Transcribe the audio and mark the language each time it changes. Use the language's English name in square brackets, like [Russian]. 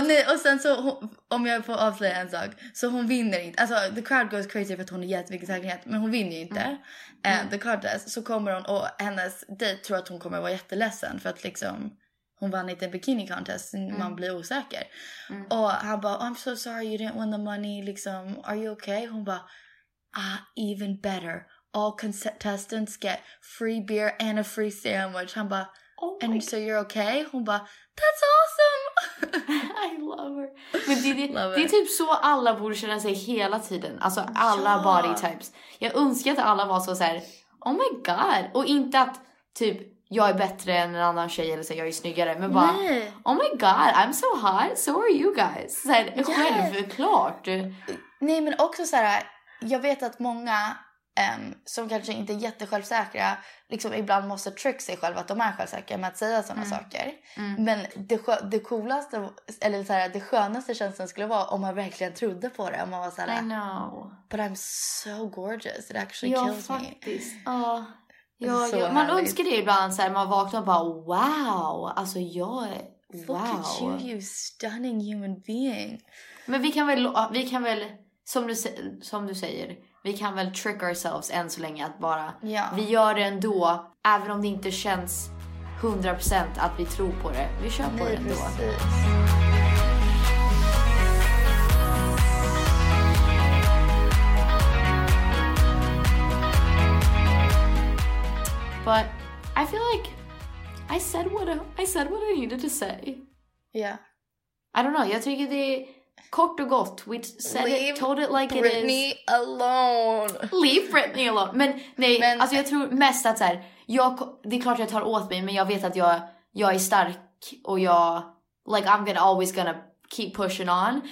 [Swedish] Och sen så, om jag får avslöja en sak, så hon vinner inte. Alltså, [English] the crowd goes crazy [Swedish] för att hon är jättemycket säkerhet, men hon vinner ju inte. The contest, så kommer hon, och hennes dejt tror att hon kommer vara jätteledsen för att liksom, hon vann inte en bikini contest, man blir osäker. Och han bara, [English] oh, I'm so sorry you didn't win the money, [Swedish] liksom, [English] are you okay? [Swedish] Hon bara, [English] ah, even better. All contestants get free beer and a free sandwich. [Swedish] Han bara, oh, [English] and so you're okay? [Swedish] Hon bara, [English] that's awesome! I love her. [Swedish] Men det är typ så alla borde känna sig hela tiden. Alltså alla [English] body types. [Swedish] Jag önskar att alla var så här, [English] oh my god. [Swedish] Och inte att typ, jag är bättre än en annan tjej eller så, jag är snyggare. Men bara, nej. [English] Oh my god, I'm so hot, so are you guys. [Swedish] Så här, yes. Självklart. Nej, men också så här, jag vet att många... som kanske inte är jättesjälvsäkra liksom ibland måste trick sig själv att de är självsäkra med att säga såna saker. Men det coolaste eller så här, det skönaste känslan skulle vara om man verkligen trodde på det, om man var så här, [English] I know. But I'm so gorgeous, it actually kills [Swedish] faktiskt. [English] Me. [Swedish] Ja, man önskar det ibland så här, man vaknar och bara wow, alltså jag är wow. [English] Look at you, you stunning human being. [Swedish] Men vi kan väl som du säger, vi kan väl [English] trick ourselves [Swedish] än så länge att bara... Ja. Vi gör det ändå, även om det inte känns 100% att vi tror på det. Vi kör på det ändå. Precis. [English] But I feel like I said what I needed to say. Yeah. I don't know. [Swedish] Jag tycker det är kort och gott. [English] We said leave it, told it like Britney it is. Leave Britney alone. Leave Britney alone. [Swedish] Men nej, men, alltså jag tror mest att så här, det är klart jag tar åt mig, men jag vet att jag är stark och jag, [English] like, I'm gonna always gonna keep pushing on.